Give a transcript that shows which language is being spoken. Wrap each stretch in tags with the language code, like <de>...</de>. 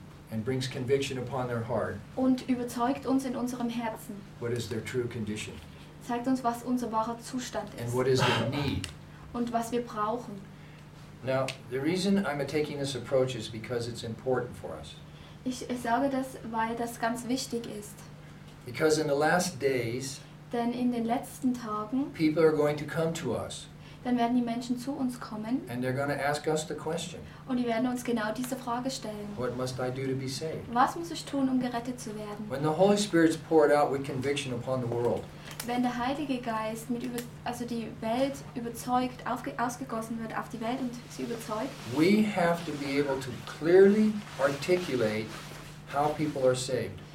<en>And brings conviction upon their heart.</en> <de>Und überzeugt uns in unserem Herzen.</de> <en>What is their true condition?</en> <de>Zeigt uns, was unser wahrer Zustand ist.</de> <en>And what is their need?</en> <de>Und was wir brauchen.</de> <en>Now, the reason I'm taking this approach is because it's important for us.</en> <de>Ich sage das, weil das ganz wichtig ist.</de> <en>Because in the last days,</en> <de>denn in den letzten Tagen,</de> <en>people are going to come to us.</en> <de>Dann werden die Menschen zu uns kommen.</de> <en>And they're going to ask us the question.</en> <de>Und die werden uns genau diese Frage stellen.</de> <en>What must I do to be saved?</en> <de>Was muss ich tun, um gerettet zu werden?</de> <en>When the Holy Spirit's poured out with conviction upon the world.</en> <de>Wenn der Heilige Geist mit über, also die Welt überzeugt, ausgegossen wird auf die Welt und sie überzeugt.</de> <en>We have to be able to clearly articulate how people are saved.</en>